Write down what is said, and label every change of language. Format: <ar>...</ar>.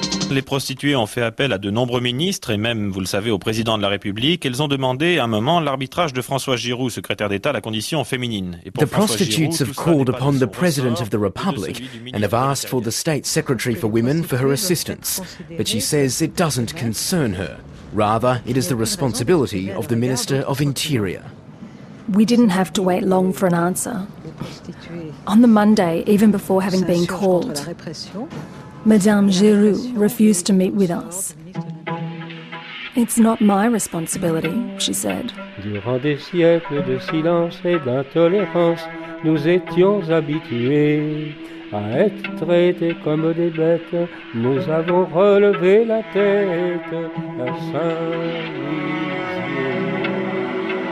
<fr>Les prostituées ont fait appel à de nombreux ministres et même, vous le savez, au président de la République. Elles ont demandé à un moment l'arbitrage de François Giroud, secrétaire d'État à la condition féminine. Et</fr> <en>pour the prostitutes Giroud, have called upon the president of the Republic and have asked for the state secretary for women for her assistance. But she says it doesn't concern her. Rather, it is the responsibility of the Minister of Interior. We didn't have to wait long for an answer. On the Monday, even before having been called, Madame Giroux refused to meet with us. It's not my responsibility, she said.</en> <fr>Durant des siècles de silence et d'intolérance, nous étions habitués à être traités comme des bêtes. Nous avons relevé la tête à Saint-Lizier.</fr>